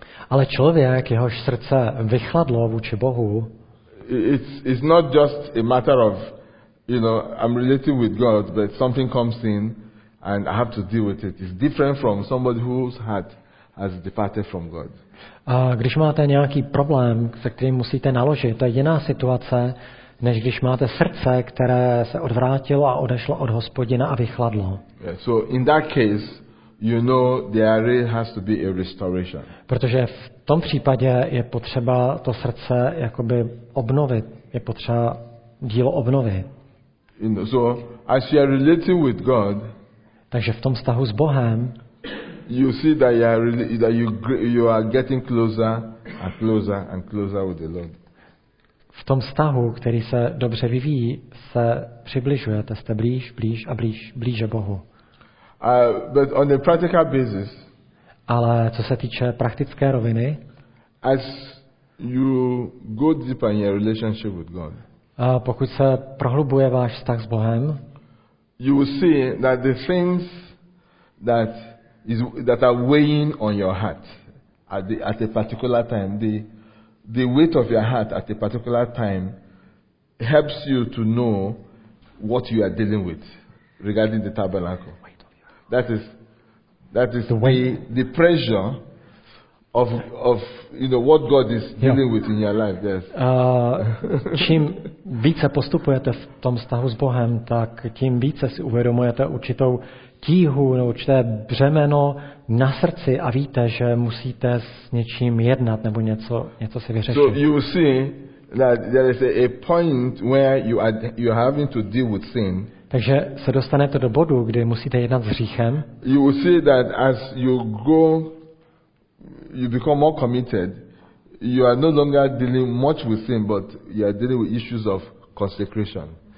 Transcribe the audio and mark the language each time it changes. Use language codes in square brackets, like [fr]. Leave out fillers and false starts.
[cs] Ale člověk, jehož srdce vychladlo vůči Bohu. [en] It's not just a matter of, you know, I'm related with God, but something comes in and I have to deal with it. It's different from somebody whose heart has departed from God. [cs] A když máte nějaký problém, se kterým musíte naložit, to je jiná situace, než když máte srdce, které se odvrátilo a odešlo od Hospodina a vychladlo. [en] Yeah, so in that case, you know, there has to be a restoration. [cs] Protože v tom případě je potřeba to srdce jakoby obnovit, je potřeba dílo obnovit. [en] You know, so as you are relating with God, [cs] takže v tom vztahu s Bohem, [en] you see that you are really, that you are getting closer and closer and closer with the Lord. [cs] V tom vztahu, který se dobře vyvíjí, se přibližujete, jste blíž a blíže Bohu. [en] But on a practical basis. [cs] Ale co se týče praktické roviny, [en] as you go deeper in your relationship with God. [cs] A pokud se prohlubuje váš vztah s Bohem, [en] you will see that the things that is that are weighing on your heart at a particular time, the weight of your heart at a particular time helps you to know what you are dealing with regarding the tabernacle. That is the pressure of you know what God is dealing with in your life. Yes. [cs] Čím více postupujete v tom vztahu s Bohem, tak tím více si uvědomujete určitou tíhu, určité břemeno na srdci a víte, že musíte s něčím jednat nebo něco si vyřešit. [en] So you see that there is a point where you are having to deal with sin. [cs] Takže se dostanete do bodu, kdy musíte jednat s hříchem. [en] You will see that as you go, you become more committed. You are no longer dealing much with sin, but you are dealing with issues of consecration.